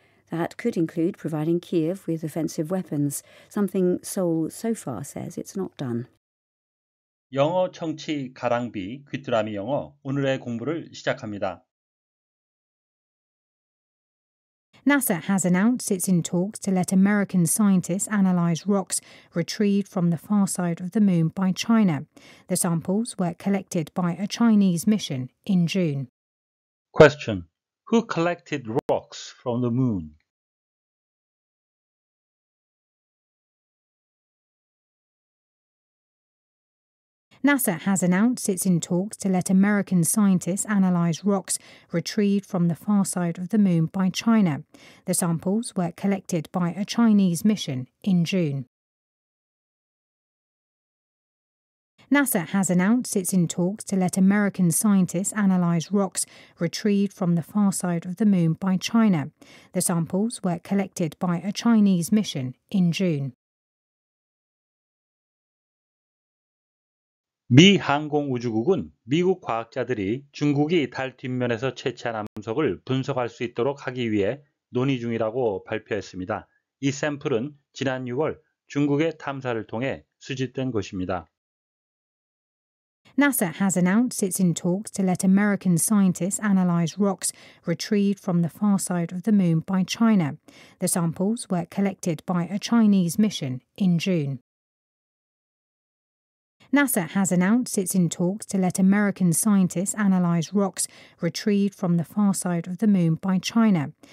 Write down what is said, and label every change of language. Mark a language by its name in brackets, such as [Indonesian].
[English] That could include providing Kyiv with offensive weapons, something Seoul so far says it's not done. [Korean] 영어 청취 가랑비 귀뚜라미 영어 오늘의 공부를 시작합니다. [English] NASA has announced it's in talks to let American scientists analyze rocks retrieved from the far side of the moon by China. The samples were collected by a Chinese mission in June. Question. Who collected rocks from the moon? NASA has announced it's in talks to let American scientists analyze rocks retrieved from the far side of the moon by China. The samples were collected by a Chinese mission in June. NASA has announced it's in talks to let American scientists analyze rocks retrieved from the far side of the moon by China. The samples were collected by a Chinese mission in June. [Korean] 미 항공우주국은 미국 과학자들이 중국이 달 뒷면에서 채취한 암석을 분석할 수 있도록 하기 위해 논의 중이라고 발표했습니다. 이 샘플은 지난 6월 중국의 탐사를 통해 수집된 것입니다. [English] NASA has announced it's in talks to let American scientists analyze rocks retrieved from the far side of the moon by China. The samples were collected by a Chinese mission in June. NASA has announced it's in talks to let American scientists analyze rocks retrieved from the far side of the moon by China.